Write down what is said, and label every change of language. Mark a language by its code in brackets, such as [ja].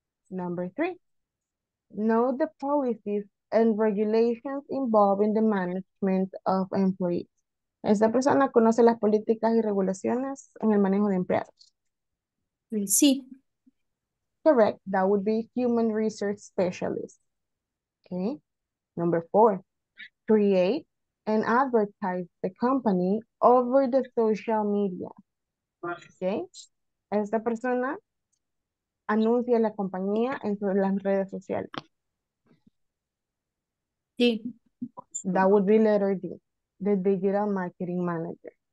[en] Number three, know the policies and regulations involving the management of employees. [es] Esta persona conoce las políticas y regulaciones en el manejo de empleados. Sí. [en] Correct, that would be human resource specialist. Okay. Number four, create and advertise the company over the social media. Okay. [es] Esta persona anuncia la compañía en las redes sociales. Sí. [en] That would be letter D, the digital marketing manager.